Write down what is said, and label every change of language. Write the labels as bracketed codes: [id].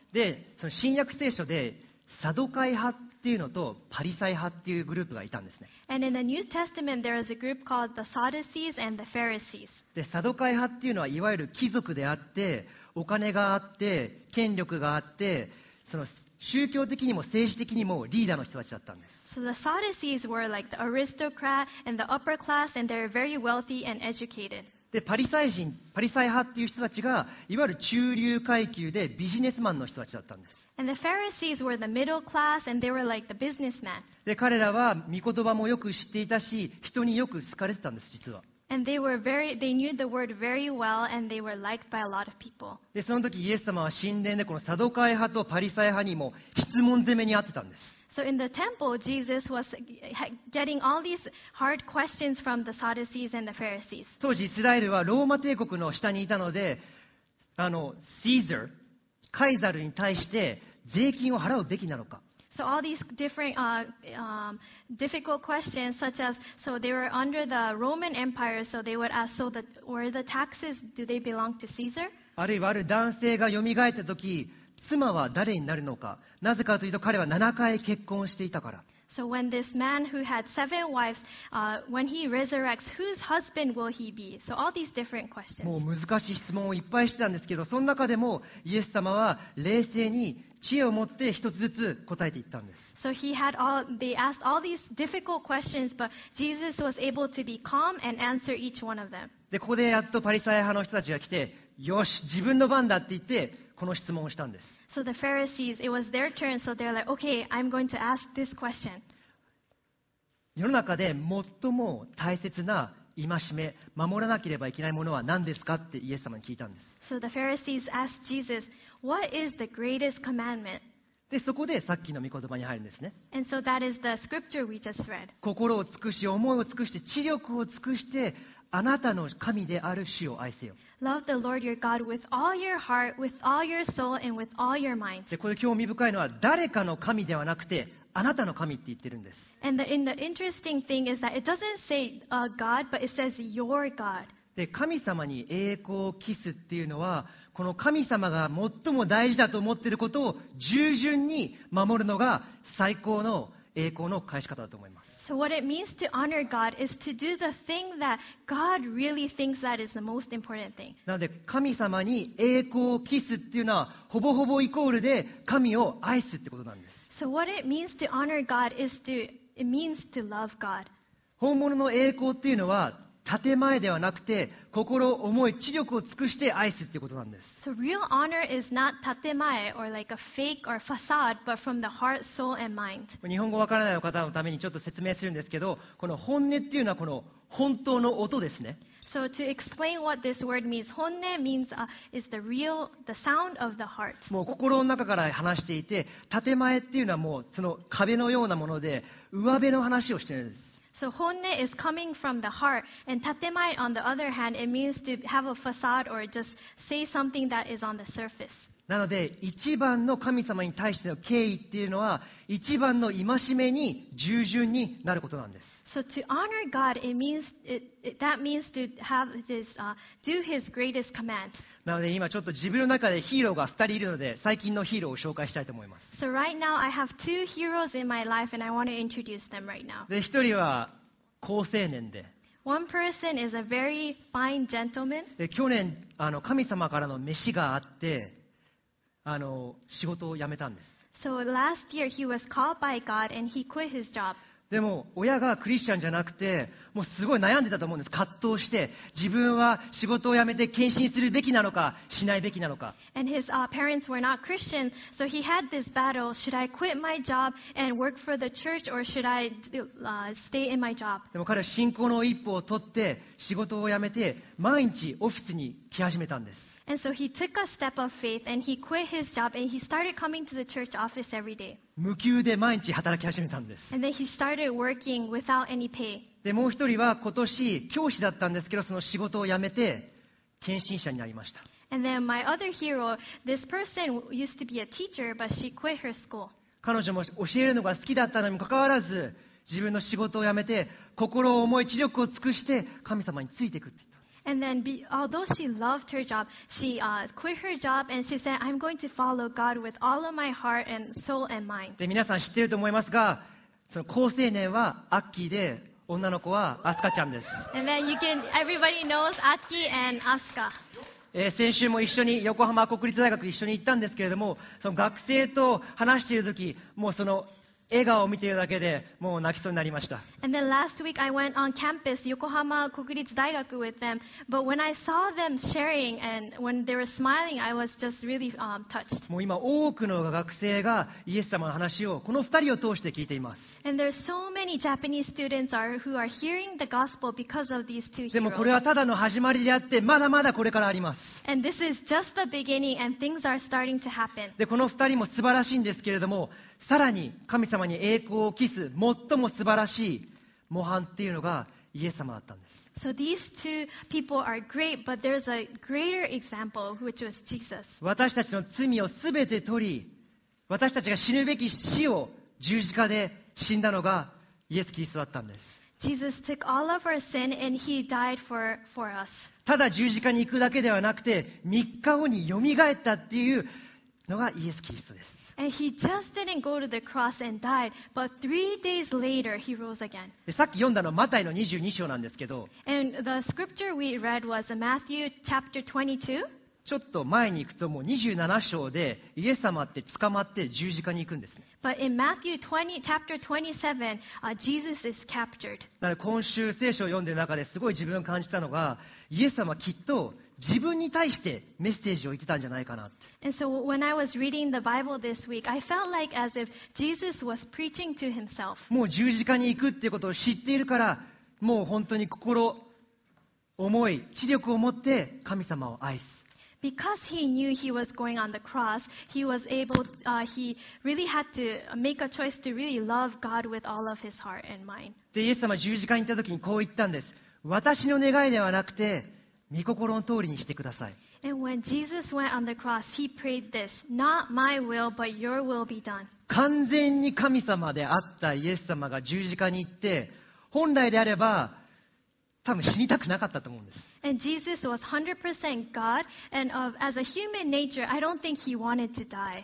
[ja] で、その新約聖書でサドカイ派っていうのとパリサイ派っていうグループがいたんですね。 [en] And in the New Testament, there was a group called the Sadducees and the Pharisees. [ja] で、サドカイ派っていうのはいわゆる貴族であって、お金があって、権力があって、その宗教的にも政治的にもリーダーの人たちだったんです。 [en] So the Sadducees were like the aristocrat and the upper class, and they're very wealthy and educated. [ja] で、パリサイ派っていう人たちが、いわゆる中流階級でビジネスマンの人たちだったんです。 [en] And the Pharisees were the middle class, and they were like the businessman. [ja] で、彼らは御言葉もよく知っていたし、人によく好かれてたんです、実は。 [en] And they were they knew the word very well, and they were liked by a lot of people. [ja] で、その時イエス様は神殿でこのサドカイ派とパリサイ派にも質問攻めにあってたんです。 [en] So in the temple, Jesus was getting all these hard questions from the Sadducees and the Pharisees. [ja] 当時イスラエルはローマ帝国の下にいたので、Caesar、カイザルに対して税金を払うべきなのか。 [en] So all these different difficult questions, such as, so they were under the Roman Empire, so they would ask, so the, were the taxes, do they belong to Caesar? [ja] あるいはある男性が蘇った時、妻は誰になるのか。なぜかというと彼は7回結婚していたから。 [en] So when this man who had seven wives, when he resurrects, whose husband will he be? So all these different questions. [ja] もう難しい質問をいっぱいしてたんですけど、その中でもイエス様は冷静に知恵を持って一つずつ答えていったんです。 [en] So he had all, they asked all these difficult questions, but Jesus was able to be calm and answer each one of them. [ja] で、ここでやっとパリサイ派の人たちが来て、よし、自分の番だって言って、この質問をしたんです。 [en] So the Pharisees, it was their turn, so they're like, okay, I'm going to ask this question. [ja] 世の中で最も大切な戒め、守らなければいけないものは何ですかってイエス様に聞いたんです。 [en] So the Pharisees asked Jesus, what is the greatest commandment? [ja] で、そこでさっきの御言葉に入るんですね。 [en] And so that is the scripture we just read. [ja] 心を尽くし、思いを尽くして、知力を尽くして、あなたの神である主を愛せよ。 [en] Love the Lord your God with all your heart, with all your soul, and with all your mind. [ja] で、これ興味深いのは、誰かの神ではなくて、あなたの神って言ってるんです。 [en] And the interesting thing is that it doesn't say a God, but it says your God. [ja] で、神様に栄光を期すっていうのは、この神様が最も大事だと思っていることを従順に守るのが最高の栄光の返し方だと思います。 [en] So what it means to honor God is to do the thing that God really thinks that is the most important thing. [ja] なので、神様に栄光を期すっていうのは、ほぼほぼイコールで神を愛すってことなんです。 [en] So what it means to honor God is to, it means to love God. [ja] 本物の栄光っていうのは、建前ではなくて心、思い、知力を尽くして愛すってことなんです。 [en] So real honor is not 建前 or like a fake or facade, but from the heart, soul, and mind. [ja] 日本語わからない方のためにちょっと説明するんですけど、この本音っていうのはこの本当の音ですね。 [en] So to explain what this word means, 本音 means is the real, the sound of the heart. [ja] もう心の中から話していて、建前っていうのはもうその壁のようなもので、上辺の話をしてるんです。 [en] So 本音 is coming from the heart, and 建前 on the other hand, it means to have a facade or just say something that is on the surface. [ja] なので一番の神様に対しての敬意っていうのは一番の戒めに従順になることなんです。 [en] So to honor God, it means that means to have this, do His greatest command. [ja] なので今ちょっと自分の中でヒーローが2人いるので最近のヒーローを紹介したいと思います。 [en] So right now I have two heroes in my life and I want to introduce them right now. [ja] で、1人は好青年で。 [en] One person is a very fine gentleman. [ja] で、去年神様からの召しがあって仕事を辞めたんです。 [en] So last year he was called by God and he quit his job. [ja] でも親がクリスチャンじゃなくて、もうすごい悩んでたと思うんです。葛藤して、自分は仕事を辞めて献身するべきなのか、しないべきなのか。 [en] And his parents were not Christian, so he had this battle: should I quit my job and work for the church, or should I stay in my job? [ja] でも彼は信仰の一歩を取って、仕事を辞めて毎日オフィスに来始めたんです。 [en] And so he took a step of faith and he quit his job and he started coming to the church office every day. [ja] 無給で毎日働き始めたんです。 [en] And then he started working without any pay. [ja] で、もう一人は今年教師だったんですけど、その仕事を辞めて献身者になりました。 [en] And then my other hero, this person used to be a teacher, but she quit her school. [ja] 彼女も教えるのが好きだったのにもかかわらず、自分の仕事を辞めて心を思い知力を尽くして神様についていくって。 [en] And then, although she loved her job, she quit her job and she said, "I'm going to follow God with all of my heart and soul and mind." [ja] で、皆さん知ってると思いますが、その好青年はアッキーで、女の子はアスカちゃんです。 [en] And then everybody knows Aki and Asuka. [ja] 先週も一緒に横浜国立大学一緒に行ったんですけれども、その学生と話しているとき、もうその笑顔を見ているだけでもう泣きそうになりました。 [en] And then last week I went on campus, 横浜国立大学 with them, but when I saw them sharing and when they were smiling, I was just really touched. [ja] もう今多くの学生がイエス様の話をこの二人を通して聞いています。 [en] And there are so many Japanese students who are hearing the gospel because of these two heroes. [ja] でもこれはただの始まりであって、まだまだこれからあります。 [en] And this is just the beginning and things are starting to happen. [ja] で、この二人も素晴らしいんですけれども、さらに神様に栄光を期す最も素晴らしい模範っていうのがイエス様だったんです。 [en] So these two people are great, but there's a greater example, which was Jesus. [ja] 私たちの罪をすべて取り、私たちが死ぬべき死を十字架で死んだのがイエス・キリストだったんです。 [en] Jesus took all of our sin and he died for us. [ja] ただ十字架に行くだけではなくて、3日後によみがえったっていうのがイエス・キリストです。 [en] And he just didn't go to the cross and died, but three days later he rose again. [ja] さっき読んだのはマタイの22章なんですけど。 [en] And the scripture we read was Matthew chapter 22. [ja] ちょっと前に行くと、もう27章でイエス様って捕まって十字架に行くんですね。 [en] But in Matthew 20, chapter 27, Jesus is captured. [ja] だから今週聖書を読んでる中ですごい自分感じたのが、イエス様きっと自分に対してメッセージを言ってたんじゃないかなって。 [en] And so when I was reading the Bible this week, I felt like as if Jesus was preaching to himself. [ja] もう十字架に行くっていうことを知っているから、もう本当に心、思い、知力を持って神様を愛す。 [en] Because he knew he was going on the cross, he was able, he really had to make a choice to really love God with all of his heart and mind. [ja] で、イエス様は十字架に行った時にこう言ったんです。私の願いではなくて、御心の通りにしてください。 [en] And when Jesus went on the cross, he prayed this, not my will, but your will be done. [ja] 完全に神様であったイエス様が十字架に行って、本来であれば、多分死にたくなかったと思うんです。 [en] And Jesus was 100% God, and as a human nature, I don't think he wanted to die.